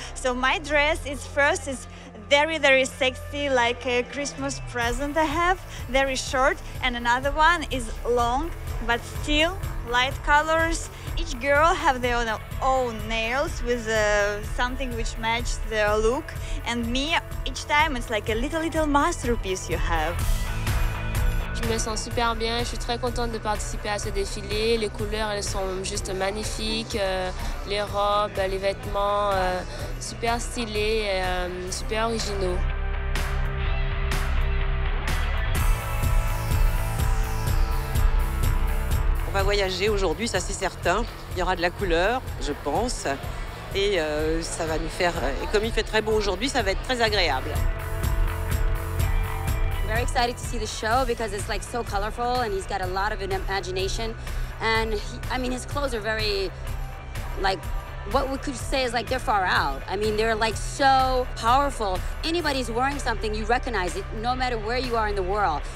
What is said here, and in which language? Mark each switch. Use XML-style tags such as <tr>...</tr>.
<en>So my dress is first is very, very sexy, like a Christmas present I have, very short. And another one is long, but still, light colors. Each girl have their own nails with something which matches their look. And me, each time, it's like a little masterpiece you have.</en> <fr>Je me sens super bien. Je suis très contente de participer à ce défilé. Les couleurs, elles sont juste magnifiques. Les robes, les vêtements, super stylés, super originaux. On va voyager aujourd'hui, ça c'est certain. Il y aura de la couleur, je pense. Et ça va nous faire. Et comme il fait très beau aujourd'hui, ça va être très agréable.</fr> <en>I'm very excited to see the show because it's like so colorful and he's got a lot of imagination. And he, I mean, his clothes are very, like, what we could say is like they're far out. I mean, they're like so powerful. Anybody's wearing something, you recognize it no matter where you are in the world.</en>